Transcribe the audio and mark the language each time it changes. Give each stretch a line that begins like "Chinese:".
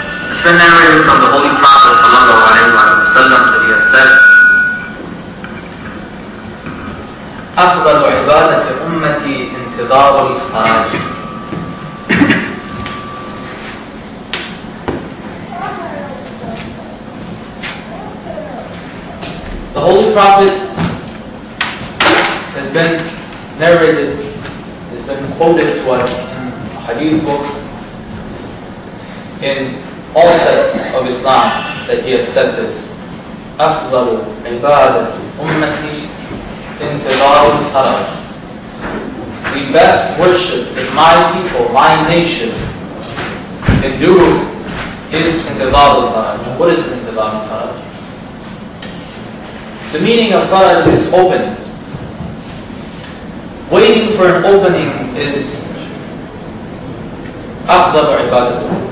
English: It's been narrated from the Holy Prophet sallallahu alayhi wa sallam that he has said,
Arabic: أفضل عبادة أمتي انتظار الفرج.
English: The Holy Prophet has been narrated, has been quoted to us in a hadith book in all sects of Islam that he has said this.
Arabic: أفضل عبادة أمتي انتظار الفرج.
English: The best worship that my people, my nation, can do is
Arabic: انتظار الفرج.
English: What is
Arabic: انتظار الفرج?
English: The meaning of فرج is opening. Waiting for an opening is
Arabic: أفضل عبادة.